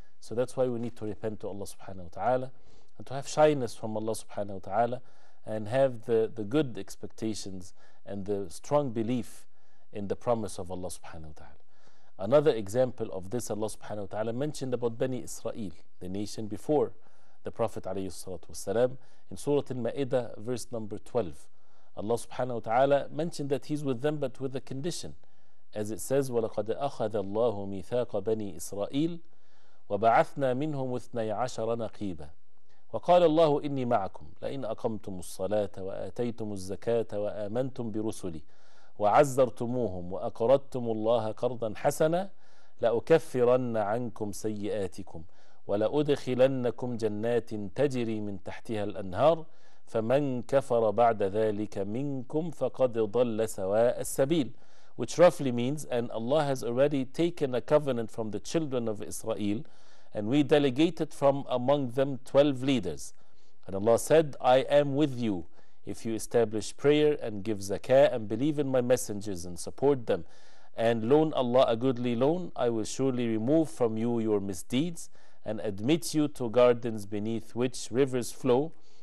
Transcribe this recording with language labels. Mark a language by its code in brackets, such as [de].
[en] So that's why we need to repent to Allah subhanahu wa ta'ala, and to have shyness from Allah subhanahu wa ta'ala, and have the good expectations and the strong belief in the promise of Allah subhanahu wa ta'ala. Another example of this, Allah subhanahu wa ta'ala mentioned about Bani Israel, the nation before the Prophet alayhi salatu wasalam, in Surah Al-Ma'idah, verse number 12. Allah subhanahu wa ta'ala mentioned that He's with them, but with a condition. As it says, [ar] وَلَقَدْ أَخَذَ اللَّهُ مِيثَاقَ بَنِي إِسْرَائِيلَ وَبَعَثْنَا مِنْهُمْ 12 نَقِيبًا وقال الله إني معكم لئن أقمتم الصلاة وآتيتم الزكاة وآمنتم برسلي وعزرتموهم وأقرضتم الله قرضا حسنا لأكفرن عنكم سيئاتكم ولأدخلنكم جنات تجري من تحتها الأنهار فمن كفر بعد ذلك منكم فقد ضل سواء السبيل. [en] Which roughly means, and Allah has already taken a covenant from the children of Israel, and we delegated from among them 12 leaders. And Allah said, I am with you if you establish prayer and give zakah and believe in my messengers and support them and loan Allah a goodly loan, I will surely remove from you your misdeeds and admit you to gardens beneath which rivers flow.